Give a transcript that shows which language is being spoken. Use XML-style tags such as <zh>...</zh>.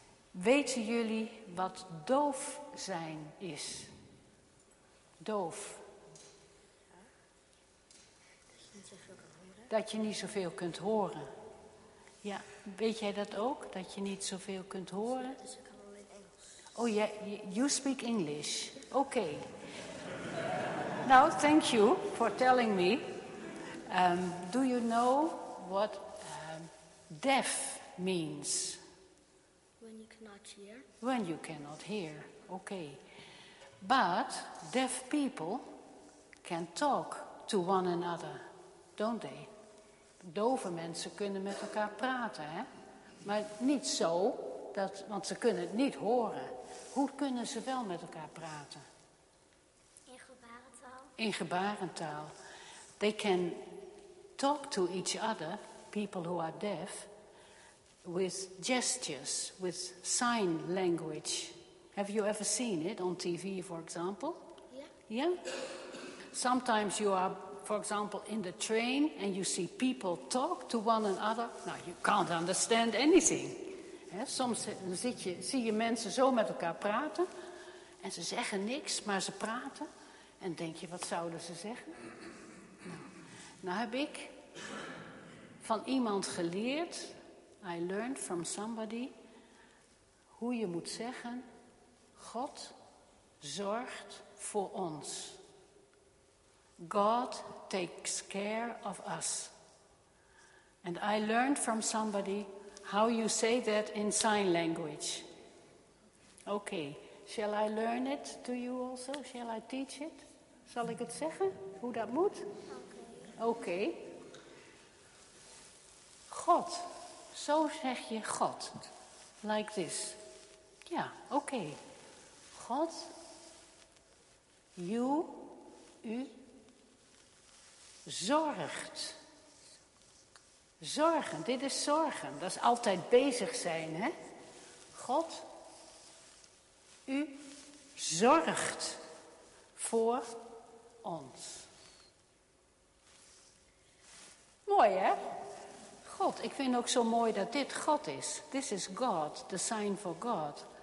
<nl>Weten jullie wat doof zijn is? Doof. Dat je niet zoveel kunt horen. Ja, weet jij dat ook? Dat je niet zoveel kunt horen? Dus ik kan wel in Engels. Oh ja,</nl> <en>yeah, you speak English.</en> <nl>Oké. Nou,</nl> <en>thank you for telling me. Do you know what deaf means? When you cannot hear. Okay. But deaf people can talk to one another, don't they?</en> <nl>Dove mensen kunnen met elkaar praten, hè? Maar niet zo, dat, want ze kunnen het niet horen. Hoe kunnen ze wel met elkaar praten? In gebarentaal. In gebarentaal.</nl> <en>They can talk to each other, people who are deaf, with gestures, with sign language. Have you ever seen it on TV, for example? Yeah. Yeah? Sometimes you are, for example, in the train and you see people talk to one another. Now, you can't understand anything. Yeah?</en> <nl>Soms zie je mensen zo met elkaar praten en ze zeggen niks, maar ze praten. En denk je, wat zouden ze zeggen? Nou heb ik van iemand geleerd.</nl> <en>I learned from somebody</en> <nl>hoe je moet zeggen, God zorgt voor ons.</nl> <en>God takes care of us. And I learned from somebody how you say that in sign language. Okay, shall I learn it to you also? Shall I teach it?</en> <nl>Zal ik het zeggen hoe dat moet?</nl> <en>Okay.</en> <nl>God. Zo zeg je God.</nl> <en>Like this.</en> <nl>Ja, oké. God. U. Zorgt. Zorgen. Dit is zorgen. Dat is altijd bezig zijn, hè? God. U. Zorgt. Voor. Ons. Mooi, hè? God. Ik vind ook zo mooi dat dit God is.</nl> <en>This is God, the sign for God.</en>